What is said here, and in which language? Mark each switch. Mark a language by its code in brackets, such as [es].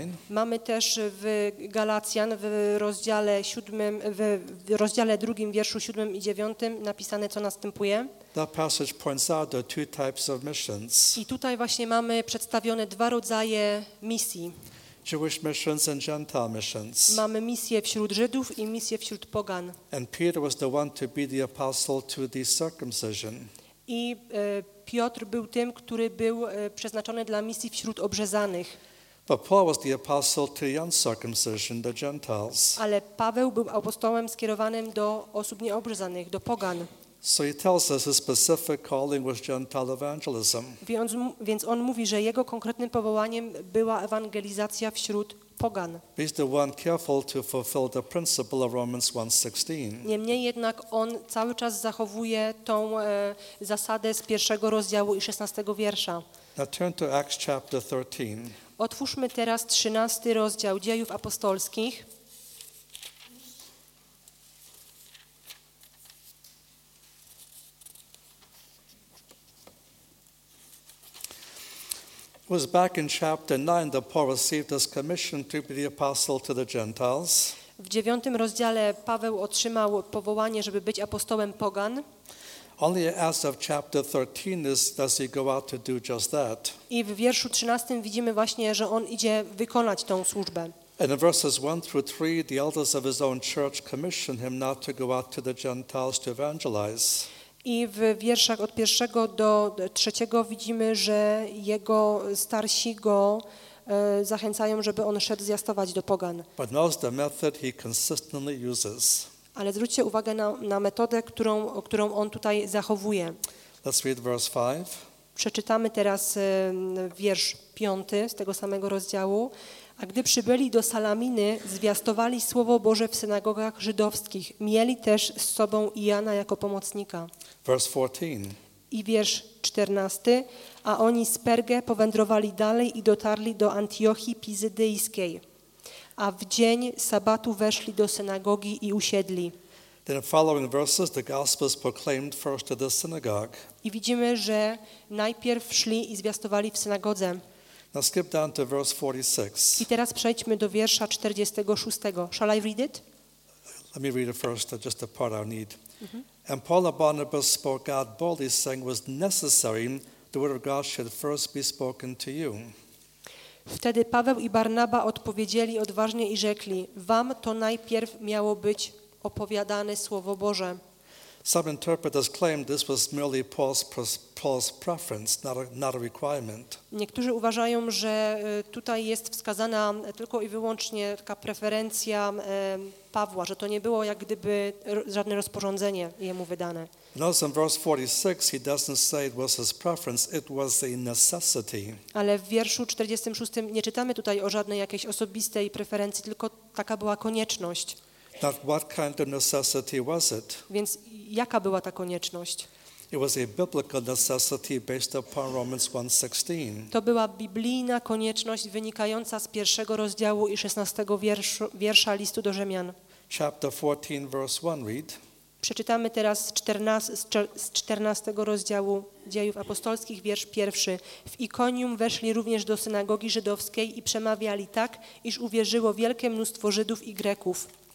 [pl] Mamy też w Galacjan w rozdziale siódmym, w rozdziale drugim, wierszu 7 i 9 napisane, co następuje. [en] That passage points out the two types of missions. [pl] I tutaj właśnie mamy przedstawione dwa rodzaje misji. [en] Jewish missions and Gentile missions. [pl] Mamy misję wśród Żydów i misję wśród pogan. [en] And Peter was the one to be the apostle to the circumcision. [pl] I Piotr był tym, który był przeznaczony dla misji wśród obrzezanych. [en] But Paul was the apostle to the uncircumcision, the Gentiles. [pl] Ale Paweł był apostołem skierowanym do osób nieobrzezanych, do pogan. [en] So he tells us his specific calling was Gentile evangelism. [pl] Więc on mówi, że jego konkretnym powołaniem była ewangelizacja wśród pogan. [en] He's the one careful to fulfill the principle of Romans 1:16. [pl] Niemniej jednak on cały czas zachowuje tą zasadę z pierwszego rozdziału i 16 wiersza. [en] Now turn to Acts chapter 13. [pl] Otwórzmy teraz 13 rozdział Dziejów Apostolskich. [en] It was back in chapter 9 that Paul received his commission to be the apostle to the Gentiles. [pl] W 9 rozdziale Paweł otrzymał powołanie, żeby być apostołem pogan. [en] Only as of chapter 13 does he go out to do just that. [pl] I w wierszu 13 widzimy właśnie, że on idzie wykonać tą służbę. [en] And in verses 1 through 3 the elders of his own church commission him not to go out to the Gentiles to evangelize. [pl] I w wierszach od 1 do 3 widzimy, że jego starsi go zachęcają, żeby on szedł zjastować do pogan. [en] But notice the method he consistently uses. [pl] Ale zwróćcie uwagę na metodę, którą on tutaj zachowuje. [en] Let's read verse 5. [pl] Przeczytamy teraz wiersz 5 z tego samego rozdziału. A gdy przybyli do Salaminy, zwiastowali Słowo Boże w synagogach żydowskich. Mieli też z sobą i Jana jako pomocnika. [en] Verse 14. [pl] I wiersz 14. A oni z Perge powędrowali dalej i dotarli do Antiochii Pizydyjskiej. A w dzień sabatu weszli do synagogi i usiedli. [en] Then in the following verses, the gospel is proclaimed first to the synagogue. [pl] I widzimy, że najpierw szli i zwiastowali w synagodze. [en] Now skip down to verse 46. [pl] I teraz przejdźmy do wiersza 46. [en] Shall I read it? Let me read it first, just the part I need. Mm-hmm. And Paul and Barnabas spoke God boldly, saying, was necessary the word of God should first be spoken to you. [pl] Wtedy Paweł i Barnaba odpowiedzieli odważnie i rzekli, wam to najpierw miało być opowiadane Słowo Boże. [en] Some interpreters claim this was merely Paul's preference, not a requirement. [pl] Niektórzy uważają, że tutaj jest wskazana tylko i wyłącznie taka preferencja Pawła, że to nie było jak gdyby żadne rozporządzenie jemu wydane. [en] Notice in verse 46 he doesn't say it was his preference, it was a necessity. [pl] Ale w wierszu 46 nie czytamy tutaj o żadnej jakiejś osobistej preferencji, tylko taka była konieczność. [en] That what kind of necessity was it? [pl] Więc jaka była ta konieczność? [en] It was a biblical necessity based upon Romans 1:16. [pl] To była biblijna konieczność wynikająca z pierwszego rozdziału i 16 wiersza listu do Rzymian. [en] Chapter 14 verse 1 read. [pl] Przeczytamy teraz z 14 rozdziału Dziejów Apostolskich, wiersz pierwszy. W Ikonium weszli również do synagogi żydowskiej i przemawiali tak, iż uwierzyło wielkie mnóstwo Żydów i Greków.